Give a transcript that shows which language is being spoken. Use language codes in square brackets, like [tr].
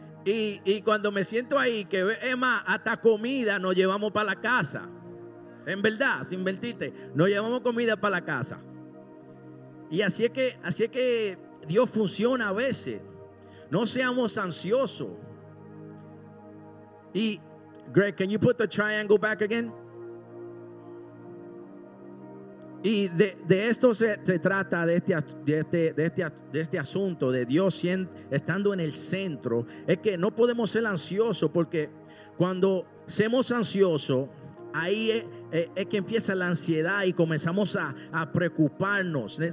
[es] Y cuando me siento ahí, que es más, hasta comida nos llevamos para la casa. En verdad, sin mentirte, nos llevamos comida para la casa. Y así es que Dios funciona a veces. No seamos ansiosos. [en] Y Greg, can you put the triangle back again? [es] Y de esto se trata, de este asunto de Dios estando en el centro. Es que no podemos ser ansiosos, porque cuando somos ansiosos, ahí es que empieza la ansiedad y comenzamos a preocuparnos.